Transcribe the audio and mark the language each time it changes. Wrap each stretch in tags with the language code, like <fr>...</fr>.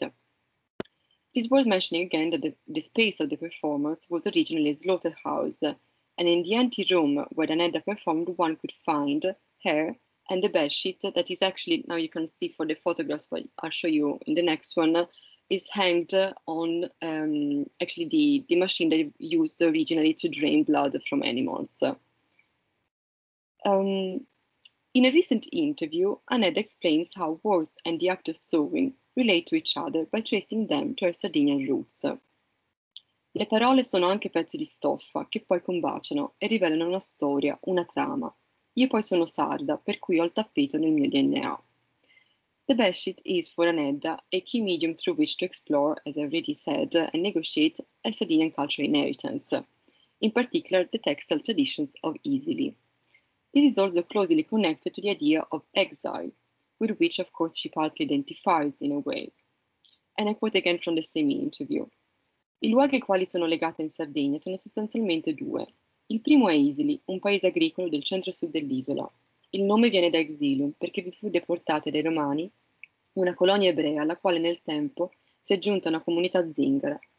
<en>It is worth mentioning again that the space of the performance was originally a slaughterhouse, and in the ante room where Aneda performed, one could find her and the bedsheet that is actually, now you can see for the photographs, but I'll show you in the next one, is hanged on actually the machine that used originally to drain blood from animals. In a recent interview, Aneda explains how wars and the act of sewing relate to each other by tracing them to her Sardinian roots.</en> <it>Le parole sono anche pezzi di stoffa che poi combaciano e rivelano una storia, una trama. Io poi sono sarda, per cui ho il tappeto nel mio DNA.</it> <en>The bedsheet is for Aneda a key medium through which to explore, as I already said, and negotiate a Sardinian cultural inheritance, in particular the textile traditions of Isili. This is also closely connected to the idea of exile, with which, of course, she partly identifies in a way. And I quote again from the same interview.</en> <it>I luoghi ai quali sono legata in Sardegna sono sostanzialmente due. Il primo è Isili, un paese agricolo del centro-sud dell'isola. Il nome viene da Exilium, perché vi fu deportato dai Romani, una colonia ebrea alla quale nel tempo si è aggiunta una comunità zingara.</it>